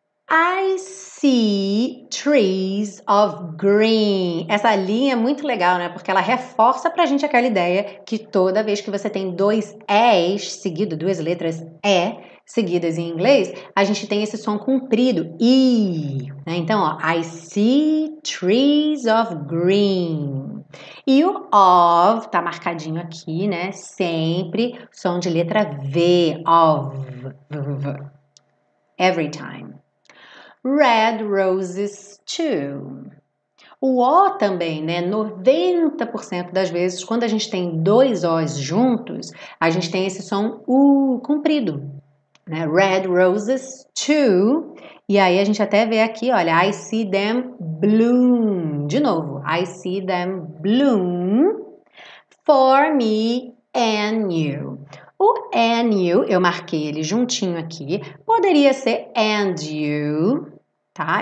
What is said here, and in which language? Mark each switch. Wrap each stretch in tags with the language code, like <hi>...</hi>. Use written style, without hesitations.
<en>I see trees of green.</en> <pt>Essa linha é muito legal, né? Porque ela reforça pra gente aquela ideia que toda vez que você tem dois E's seguido, duas letras E, seguidas em inglês, a gente tem esse som comprido, e, né?</pt> <en>Então, ó, I see trees of green.</en> <pt>E o of tá marcadinho aqui, né? Sempre som de letra V, of.</pt> <en>Every time. Red roses too.</en> <pt>O O também, né? 90% das vezes, quando a gente tem dois O's juntos, a gente tem esse som U comprido, né?</pt> <en>Red roses too.</en> <pt>E aí a gente até vê aqui, olha,</pt> <en>I see them bloom. De novo, I see them bloom for me and you.</en> <pt>O and you, eu marquei ele juntinho aqui, poderia ser and you, tá?</pt>